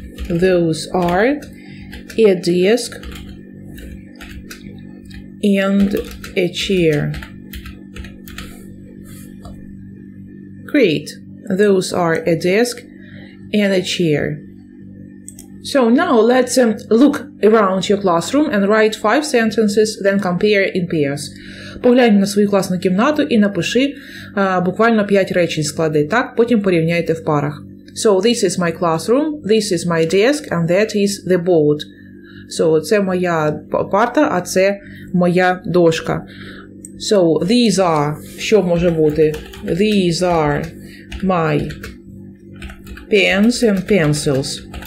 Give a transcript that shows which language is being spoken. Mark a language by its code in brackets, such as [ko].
[en] Those are a desk and a chair. Great. Those are a desk and a chair. So now let's look around your classroom and write five sentences, then compare in pairs. [uk] Поглянь на свою класну кімнату і напиши буквально п'ять речень склади, так? Потім порівняйте в парах. [en] So this is my classroom, this is my desk, and that is the board. [uk] So це моя парта, а це моя дошка. [en] So these are, [uk] що може бути? [en] These are my pens and pencils.